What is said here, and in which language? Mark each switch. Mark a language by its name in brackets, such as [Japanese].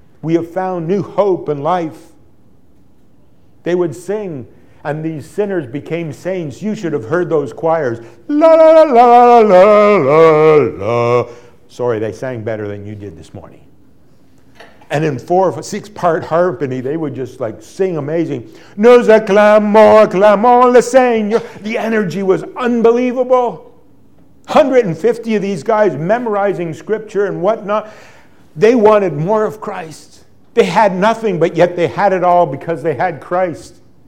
[English] We have found new hope and life. They would sing, and these sinners became saints. You should have heard those choirs. La, la, la, la, la, la, la. Sorry, they sang better than you did this morning. And in four, six-part harmony, they would just like sing amazing. [French] Nous acclamons, acclamons le Seigneur. [English] The energy was unbelievable. 150 of these guys memorizing scripture and whatnot. They wanted more of Christ. They had nothing, but yet they had it all because they had Christ.